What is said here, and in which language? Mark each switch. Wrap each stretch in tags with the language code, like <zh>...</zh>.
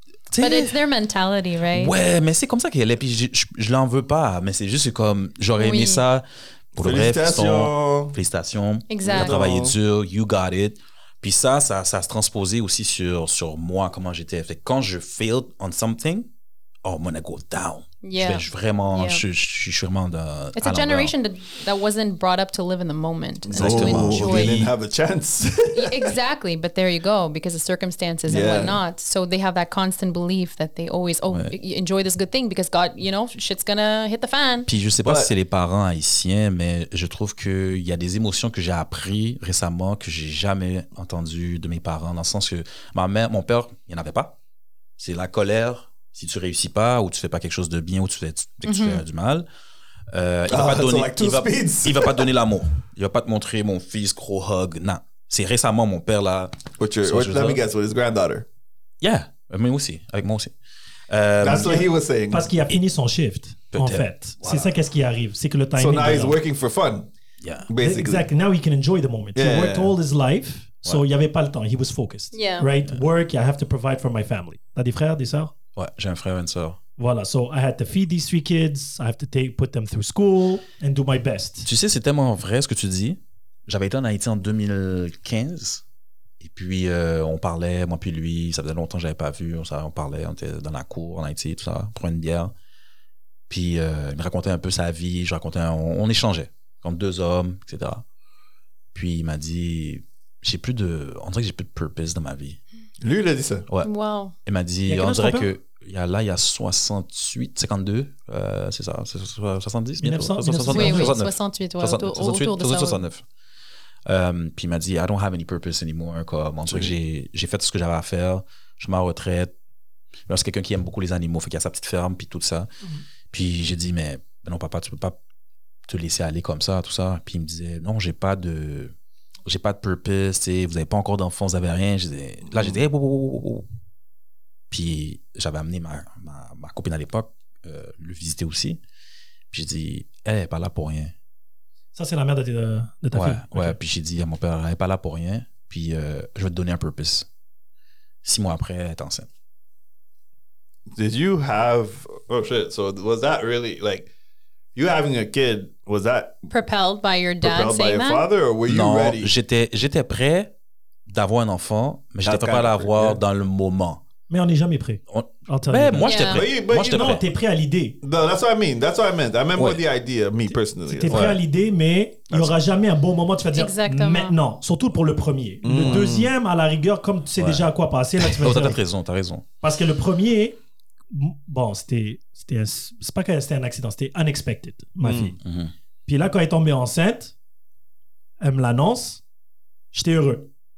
<fr>T'sais,</fr> <en>but it's their mentality, right?</en> <fr>Ouais, mais c'est comme ça qu'elle est, puis je l'en veux pas, mais c'est juste comme, j'aurais aimé ça... Pour le reste, félicitations. Exactement. Tu as travaillé dur,</fr> <en>you got it.</en> <fr>Puis ça se transposait aussi sur moi, comment j'étais. Fait que quand je</fr> <en>failed on something, oh, I'm gonna go down. Yeah.</en> <fr>Je suis vraiment</fr> <en>It's a generation that wasn't brought up to live in the moment. Exactly. They didn't have a chance. Exactly, but there you go, because of circumstances and whatnot. So they have that constant belief that they always, enjoy this good thing because God, you know, shit's gonna hit the fan.</en> <fr>Puis je sais pas si c'est les parents haïtiens, mais je trouve qu'il y a des émotions que j'ai appris récemment que j'ai jamais entendues de mes parents, dans le sens que ma mère, mon père, il n'y en avait pas. C'est la colère. Si tu réussis pas ou tu fais pas quelque chose de bien ou tu fais du mal, il va pas te donner l'amour. Il va pas te montrer mon fils gros hug. Non. C'est récemment mon père là.</fr> <en>Let me guess, with his granddaughter.</en> <fr>Yeah, moi aussi. Avec moi aussi.</fr> <en>That's what he was saying.</en> <fr>Parce qu'il a fini son shift, peut-être. En fait. Wow. C'est ça qu'est-ce qui arrive. C'est que le timing.</fr> <en>So now he's working for fun. Yeah. Basically. Exactly. Now he can enjoy the moment. Yeah, he worked all his life, so</en> <fr>il n'y avait pas le temps.</fr> <en>He was focused. Yeah. Right? Yeah. Work, I have to provide for my family.</en> <fr>T'as des frères, des sœurs? Ouais, j'ai un frère et une sœur.</fr> <en>Voilà, so I had to feed these three kids, I have to put them through school and do my best.</en> <fr>Tu sais, c'est tellement vrai ce que tu dis. J'avais été en Haïti en 2015 et puis on parlait, moi puis lui, ça faisait longtemps que j'avais pas vu, on parlait, on était dans la cour en Haïti, tout ça, pour une bière. Puis il me racontait un peu sa vie, je racontais, on échangeait, comme deux hommes, etc. Puis il m'a dit, on dirait que j'ai plus de purpose dans ma vie. Lui, il a dit ça. Ouais.</fr> <en>Wow.</en> <fr>Il m'a dit, on dirait que il y a 68, 52, c'est ça, 70, 69. Puis il m'a dit,</fr> <en>I don't have any purpose anymore.</en> <fr>Comme, on dirait que j'ai fait ce que j'avais à faire. Je suis en retraite. Alors, c'est quelqu'un qui aime beaucoup les animaux, fait qu'il y a sa petite ferme, puis tout ça. Mm-hmm. Puis j'ai dit, mais non, papa, tu peux pas te laisser aller comme ça, tout ça. Puis il me disait, non, j'ai pas de purpose, vous n'avez pas encore d'enfants, vous n'avez rien. Là, j'ai dit, hey, Puis j'avais amené ma copine à l'époque, le visiter aussi. Puis j'ai dit, elle n'est pas là pour rien. Ça, c'est la mère de ta fille. Ouais, okay. Puis j'ai dit à mon père, elle n'est pas là pour rien. Puis je vais te donner un purpose. 6 mois après, elle est enceinte.</fr> <en>Did you have. Oh shit, so was that really like. You having a kid, was that propelled by your dad propelled saying that? Father, or were you</en> <fr>non,</fr> <en>ready?</en> <fr>J'étais prêt d'avoir un enfant, mais j'étais pas prêt à l'avoir dans le moment. Mais on n'est jamais prêt. J'étais prêt. T'es prêt à l'idée.</fr> <en>No, that's what I mean. That's what I meant. I meant with the idea, me personally.</en> <fr>T'es prêt à l'idée, mais il n'y aura jamais un bon moment. Tu vas dire maintenant, surtout pour le premier. Mm. Le deuxième, à la rigueur, comme tu sais déjà à quoi passer, là, tu vas dire. T'as raison. Parce que le premier, bon, c'était un accident, c'était unexpected, ma fille. Mm-hmm. Puis là, quand elle est tombée enceinte, elle me l'annonce, j'étais heureux.</fr>